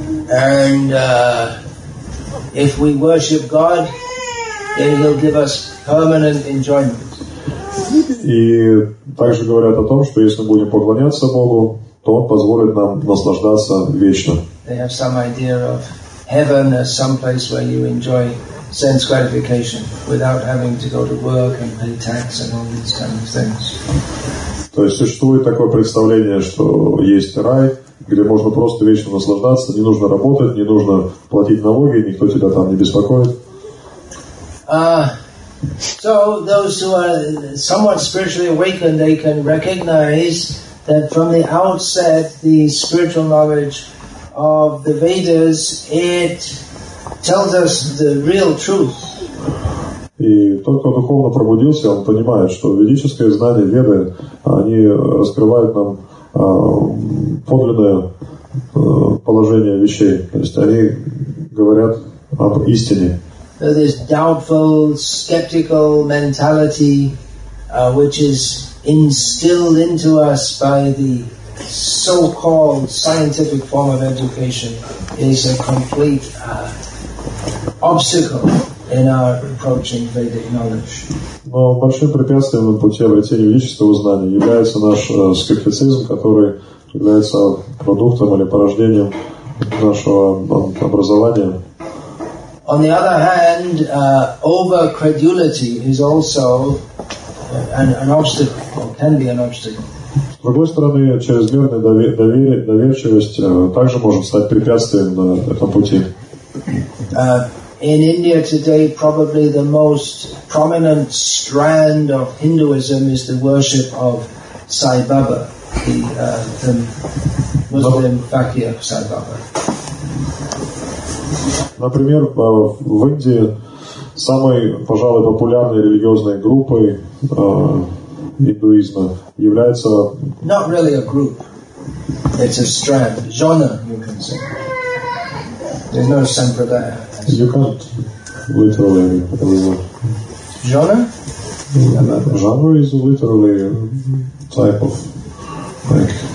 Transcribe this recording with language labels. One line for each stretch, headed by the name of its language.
English: And if we worship God, then He'll give us permanent enjoyment.
Russian: И также говорят о том, что если будем поклоняться Богу, то Он позволит нам наслаждаться вечно.
English: They have some idea of heaven as some place where you enjoy sense gratification without having to go to work and pay tax and all these kind of things.
Russian: То есть существует такое представление, что есть рай, где можно просто вечно наслаждаться, не нужно работать, не нужно платить налоги, никто тебя там не беспокоит.
English: So those who are somewhat spiritually awakened, they can recognize that from the outset the spiritual knowledge of the Vedas, it tells us the real truth.
Russian: И тот, кто духовно пробудился, он понимает, что ведическое знание, веды, они раскрывают нам подлинное положение вещей. То есть они говорят об истине.
English: this doubtful, skeptical mentality which is instilled into us by the so-called scientific form of education is a complete obstacle in our approaching Vedic knowledge.
Russian: Но большим препятствием на пути обретения ведического знания является наш скептицизм, который является продуктом или порождением нашего образования.
English: On the other hand, over-credulity is also an obstacle, or can be an obstacle.
Russian: С другой стороны, чрезмерная доверчивость также может стать препятствием на этом пути.
English: In India today, probably the most prominent strand of Hinduism is the worship of Sai Baba, the Muslim fakir of Sai Baba.
Russian: Например, в Индии самой, пожалуй, популярной религиозной группой индуизма является...
English: Not really a group. It's a strand, genre, you can say. There's no sampradaya. You can't literally... Genre? Genre is literally a type of... Like...